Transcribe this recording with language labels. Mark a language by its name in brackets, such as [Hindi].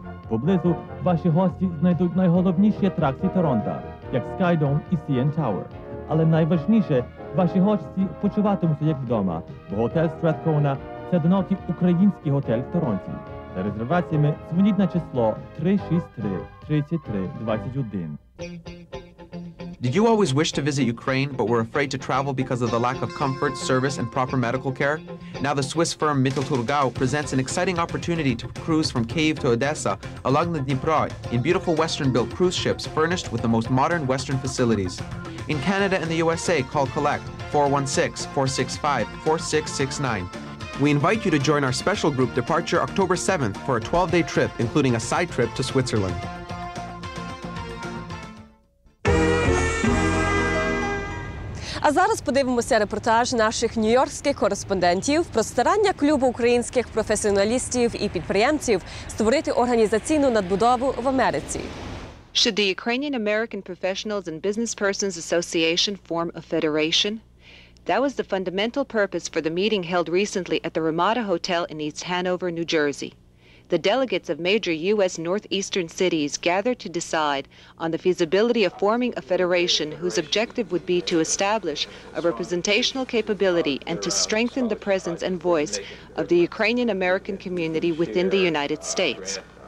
[Ukrainian] Поблизу ваші гості знайдуть найголовніші атракції Торонто, як Sky Dome і CN Tower. Але найважніше, ваші гості почуватимуться як вдома, бо готель Strathcona – це одинокий український готель в Торонті. За резерваціями дзвоніть на число 363-3321. [English] Did you always wish to visit Ukraine but were afraid to travel because of the lack of comfort, service, and proper medical care? Now the Swiss firm Mittelturgau presents an exciting opportunity to cruise from Kyiv to Odessa along the Dnipro in beautiful Western-built cruise ships furnished with the most modern Western facilities. In Canada and the USA, call Collect 416-465-4669. We invite you to join our special group departure October 7th for a 12-day trip, including a side trip to Switzerland. [Ukrainian] А зараз подивимося репортаж наших нью-йоркських кореспондентів про старання клубу українських професіоналістів і підприємців створити організаційну надбудову в Америці. [English] Should the Ukrainian American Professionals and Business Persons Association form a federation? That was the fundamental purpose for the meeting held recently at the Ramada Hotel in East Hanover, New Jersey. The delegates of major U.S. northeastern cities gathered to decide on the feasibility of forming a federation whose objective would be to establish a representational capability and to strengthen the presence and voice of the Ukrainian-American community within the United States.